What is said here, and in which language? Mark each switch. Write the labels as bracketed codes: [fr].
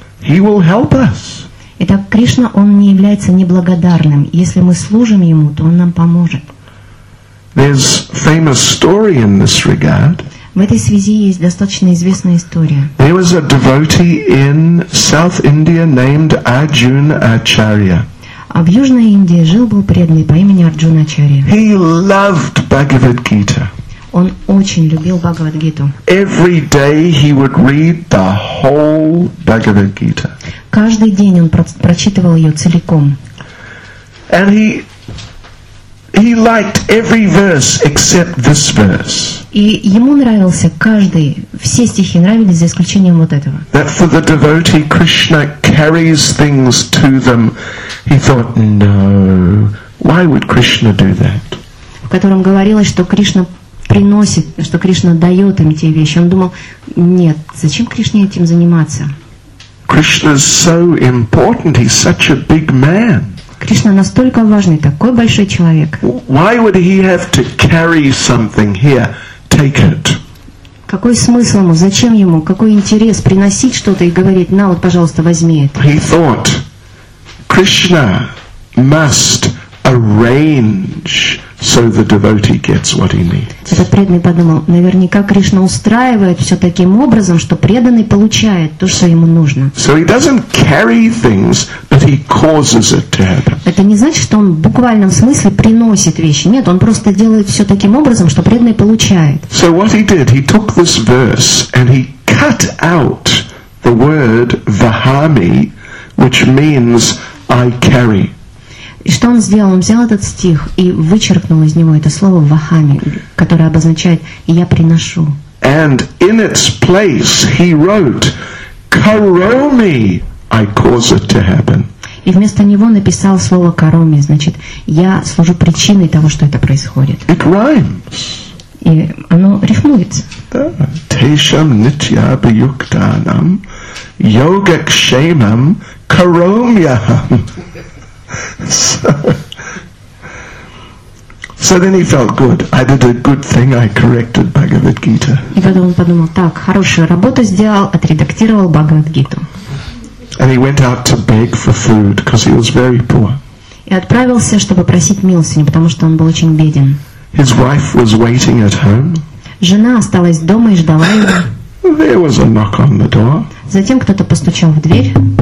[en] He will help us. [ru] Итак, Кришна, Он не является неблагодарным. Если мы служим Ему, то Он нам поможет. [en] There's famous story in this regard. [ru] В этой связи есть достаточно известная история. [en] There was a devotee in South India named Arjun Acharya. [ru] А в Южной Индии жил-был преданный по имени Арджун Ачарья. [en] He loved Bhagavad Gita. [ru] Он очень любил Бхагавад-гиту. [en] Every day he would read the whole Bhagavad Gita. [ru] Каждый день он прочитывал ее целиком. [en] And he liked every verse except this verse. [ru] И ему нравился каждый, все стихи нравились за исключением вот этого. [en] That for the devotee Krishna carries things to them, he thought, no, why would Krishna do that? [ru] В котором говорилось, что Кришна приносит, что Кришна дает им те вещи. Он думал, нет, зачем Кришне этим заниматься? [en] Krishna is so important. He's such a big man. [ru] Кришна настолько важный, такой большой человек. [en] Why would he have to carry something here? Take it. [ru] Какой смысл ему? Зачем ему? Какой интерес приносить что-то и говорить, на, вот, пожалуйста, возьми это? [en] He thought, Krishna must arrange so the devotee gets what he needs. [ru] Этот преданный подумал, наверняка Кришна устраивает все таким образом, что преданный получает то, что ему нужно. [en] So he doesn't carry things, but he causes it to happen. [ru] Это не значит, что он в буквальном смысле приносит вещи. Нет, он просто делает все таким образом, что преданный получает. [en] So what he did, he took this verse and he cut out the word vahami, which means I carry. [ru] И что он сделал? Он взял этот стих и вычеркнул из него это слово «вахами», которое обозначает «я приношу». [en] And in its place he wrote, «Karomi, I cause it to happen». [ru] И вместо него написал слово «кароми», значит, «я служу причиной того, что это происходит». [en] It rhymes. [ru] И оно рифмуется. [sa] «Тешам нитья бьюктанам, йогакшемам каромьяхам». [en] So then he felt good. I did a good thing. I corrected Bhagavad Gita. [ru] И потом он подумал, так, хорошую работу сделал, отредактировал Бхагавад Гиту. [en] And he went out to beg for food because he was very poor. [ru] И отправился, чтобы просить милостыню, потому что он был очень беден. [en] His wife was waiting at home. [ru] Жена осталась дома и ждала его. [en] There was a knock on the door. [ru] Затем кто-то постучал в дверь.